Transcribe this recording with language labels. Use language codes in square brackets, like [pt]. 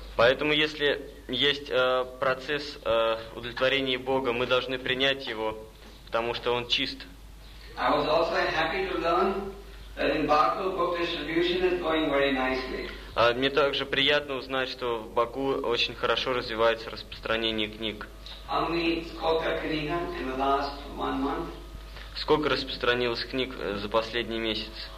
[ru] Поэтому, если есть процесс удовлетворения Бога, мы должны принять его, потому что он чист. [en] I was also happy to learn that in Baku book distribution is going very nicely. [ru] Мне также приятно узнать, что в Баку очень хорошо развивается распространение книг. [en] Only [ru] сколько книг [en] in the last 1 month? [ru] Сколько распространилось книг за последний месяц?